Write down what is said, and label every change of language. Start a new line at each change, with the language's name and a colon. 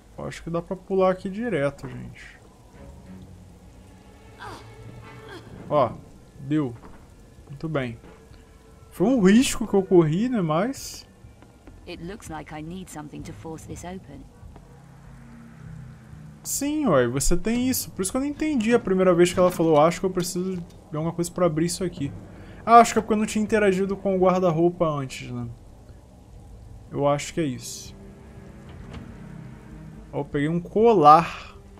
Portuguese: Acho que dá pra pular aqui direto, gente. Ó, deu. Muito bem. Foi um risco que eu corri, né, mas...
English: it looks like I need something to force this open.
Portuguese: Sim, ué, você tem isso. Por isso que eu não entendi a primeira vez que ela falou, acho que eu preciso de alguma coisa pra abrir isso aqui. Ah, acho que é porque eu não tinha interagido com o guarda-roupa antes, né? Eu acho que é isso. Ó, eu peguei um colar.